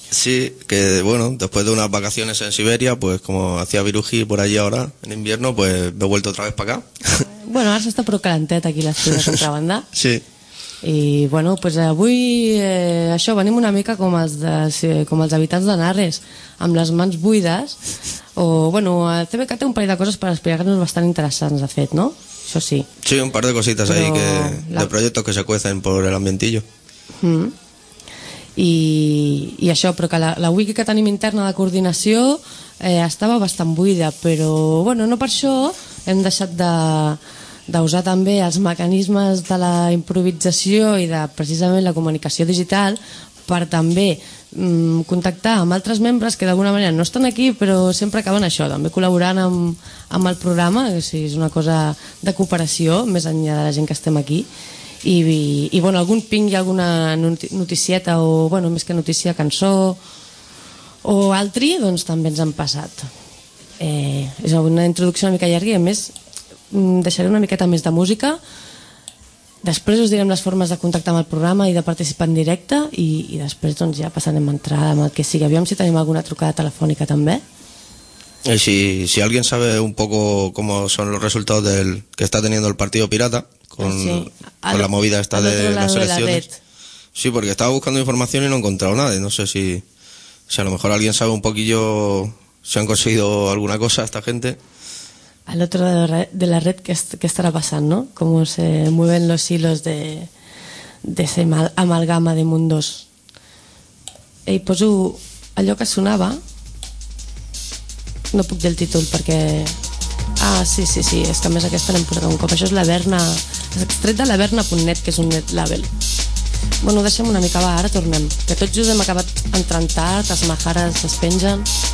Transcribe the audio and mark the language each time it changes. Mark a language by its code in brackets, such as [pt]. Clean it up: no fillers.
[es] Sí, que bueno, después de unas vacaciones en Siberia, pues como hacía virují por allí ahora, en invierno, pues me he vuelto otra vez para acá. [ca] Bueno, ara s'està prou calentet aquí l'estiu de Contrabanda. Sí. I bueno, pues avui això, venim una mica com els, de, com els habitants de Narres, amb les mans buides, o bueno, el TVK té un parell de coses per explicar-nos bastant interessants, de fet, no? Això sí. [es] Sí, un par de cositas ahí que, de projectos que se cuecen por el ambientillo. Mm. [ca] I això, però que la wiki que tenim interna de coordinació estava bastant buida, però bueno, no per això hem deixat d'usar també els mecanismes de la improvisació i de precisament la comunicació digital per també contactar amb altres membres que d'alguna manera no estan aquí però sempre acaben això, també col·laborant amb el programa, que sí, és una cosa de cooperació més enllà de la gent que estem aquí i bueno, algun ping i alguna noticieta o bueno, més que notícia, cançó o altri, doncs també ens han passat. És una introducció una mica llarga i a més deixaré una miqueta més de música. Després us direm les formes de contactar amb el programa i de participar en directe i després doncs, ja passarem a entrar amb el que sigui. Aviam si tenim alguna trucada telefònica també. [es] Si alguien sabe un poco cómo son los resultados del que está teniendo el Partido Pirata con la movida esta de las elecciones. Sí, porque estaba buscando información y no he encontrado nada. No sé si a lo mejor alguien sabe un poquillo si han conseguido alguna cosa esta gente. Al otro lado de la red, ¿qué estará pasando? ¿Cómo se mueven los hilos de ese amalgama de mundos? [ca] Ey, poso allo que sonava. No puc dir el títol perquè... Ah, sí, és que a més aquesta l'hem posat un cop. Això és la Verna, és extret de laverna.net, que és un net label. Bueno, deixem una mica, va, ara tornem. Que tots just hem acabat entrant tard, les majares es pengen...